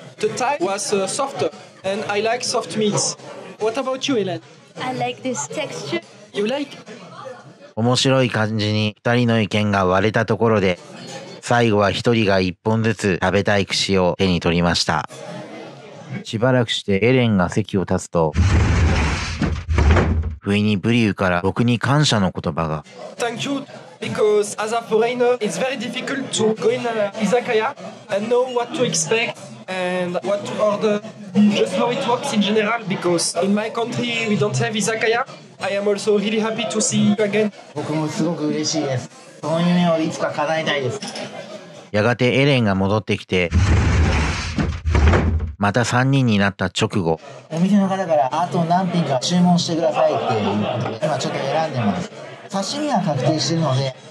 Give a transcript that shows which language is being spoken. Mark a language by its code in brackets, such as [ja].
[en] The Thai was softer, and I like soft meats. What about you, Eren? I like this texture. You like? [ja] 面白い感じに二人の意見が割れたところで、最後は一人が一本ずつ食べたい串を手に取りました。しばらくしてエレンが席を立つと、不意にブリューから僕に感謝の言葉が。 [en] Thank you. Because as a foreigner, it's very difficult to go in an izakaya and know what to expect and what to order. Just how it works in general, because in my country we don't have izakaya. I am also really happy to see you again. [ja] 僕もすごく嬉しいです。その夢をいつか叶えたいです。やがてエレンが戻ってきて、また3人になった直後、お店の方からあと何品か注文してくださいっていうことで、今ちょっと選んでます。刺身は確定してるので。